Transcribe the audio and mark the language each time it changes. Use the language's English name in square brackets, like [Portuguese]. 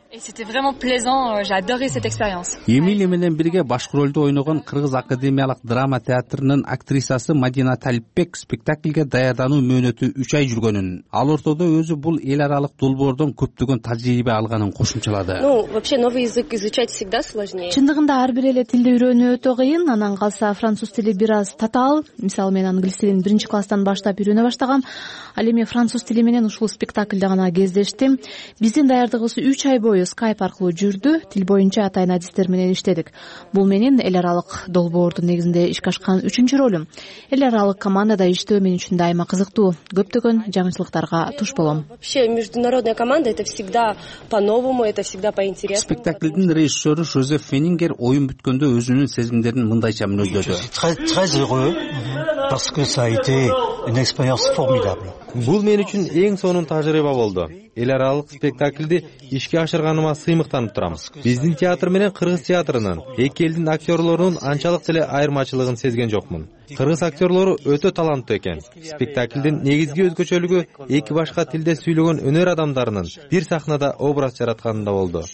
[Kyrgyz] Эмили менен бирге башкы ролду ойногон кыргыз академиялык драма театрынын актрисасы Мадина Талипбек спектаклге даярдануу мөөнөтү 3 ай жүргөнүн, ал ортодо өзү бул эл аралык долбоордон көптөгөн тажрыйба алганын кошумчалады. [Russian] Вообще новый язык изучать всегда сложнее. [Kyrgyz] Чындыгында ар бир эле тилди үйрөнүү өтө кыйын, анан калса француз тили бир аз татаал. Мисалы мен англис тилин 1-нче класстан баштап үйрөнө баштагам. Ал эми француз тили менен ушул спектаклде гана кездештим. Биздин даярдыгыбыз 3 ай бою Skype аркылуу жүрдү. Тил боюнча атайын адистер менен иштедик. Бул менин эл аралык долбоордун негизинде иш ашкан 3-нче ролум. Эл аралык командада иштөө мен үчүн дайыма кызыктуу, көптөгөн жаңылыктарга туш болом. [Russian] Вообще международная команда это всегда по-новому, это всегда по-интересному. [Kyrgyz] Спектаклдин режиссёру Жозеф Фенингер оюн бүткөндө өзүнүн сезимдерин мындайча мүнөздөдү. [French] Très heureux parce que ça a été une expérience formidable. [Kyrgyz] Бул мен үчүн эң сонун тажрыйба болду. Эл аралык спектаклди ишке ашырганыма сыймыктанып турабыз. Биздин театр менен кыргыз театрынын эки элдин актерлорунун анчалык деле айырмачылыгын сезген жокмун. Кыргыз актерлору өтө таланттуу экен. Спектаклдин негизги өзгөчөлүгү эки башка тилде сүйлөгөн өнөр адамдарынын бир сахнада образ жаратканында болду.